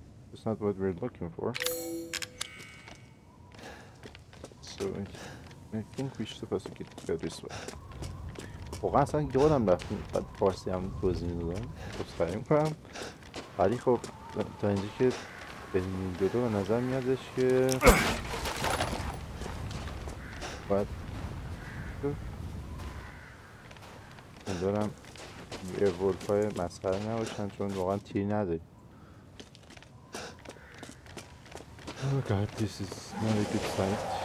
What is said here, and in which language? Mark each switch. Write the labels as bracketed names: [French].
[English] That's not what we're looking for. So I think we're supposed to get to go this way. [Persian] خب اصلا یادم رفت بعد فارسی هم توضیح میدادم توضیح میکنم ولی خب تا اینجا که به این دو به نظر میادش که باید میدارم یه ورپ های مسخره نباشن چون واقعا تیر نداریم. [English] Oh god, this is not a good sight.